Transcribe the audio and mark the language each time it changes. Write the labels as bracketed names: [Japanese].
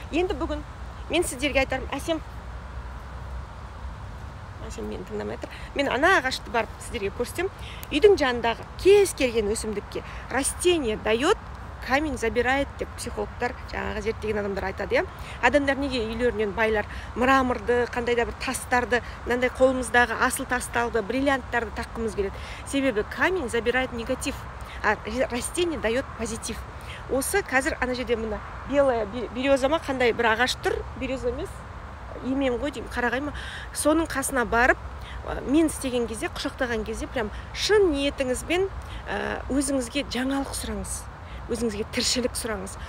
[Kazakh] Енді бүгін мен сіздерге айтарым, Әсем, Әсем мені тыңдамай тұр, мен ана ағашты барып сіздерге көрсетем. Үйдің жанындағы кез келген өсімдікке [Russian] растение дает, камень забирает [Kazakh] деп психологтар жаңағы зерттеген адамдар айтады. Иә, адамдар неге үйлерінен байлар мраморды, қандай да бір тастарды, мынандай қолымыздағы асыл тасталды, бриллианттарды таққымыз келеді? Себебі [Russian] камень забирает негатив, а растение дает позитив. [Kazakh] Осы қазір ана жерде мына [Russian] белая береза [Kazakh] ма, қандай бір ағаш тұр, береза емес, емен ғой деймін, қарағай ма, соның қасына барып мен істеген кезде, құшақтаған кезде [Russian] прям [Kazakh] шын ниетіңізбен өзіңізге жаңалық сұраңыз, өзіңізге тіршілік сұраңыз.